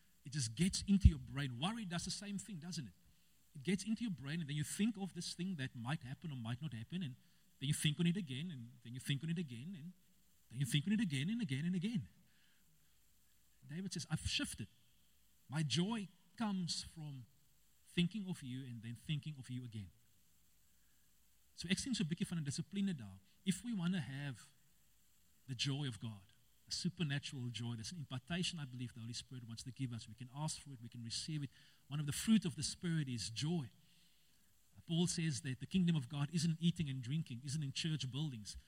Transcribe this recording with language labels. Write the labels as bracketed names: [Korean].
[English] It just gets into your brain. Worry does the same thing, doesn't it? It gets into your brain and then you think of this thing that might happen or might not happen and then you think on it again and then you think on it again and then you think on it again and again and again. David says, I've shifted. My joy comes from thinking of you and then thinking of you again. [Afrikaans] So ek sien so 'n bietjie van 'n dissipline daar. [English] If we want to have the joy of God, a supernatural joy, that's an impartation I believe the Holy Spirit wants to give us. We can ask for it, we can receive it. One of the fruit of the Spirit is joy. Paul says that the kingdom of God isn't eating and drinking, isn't in church buildings.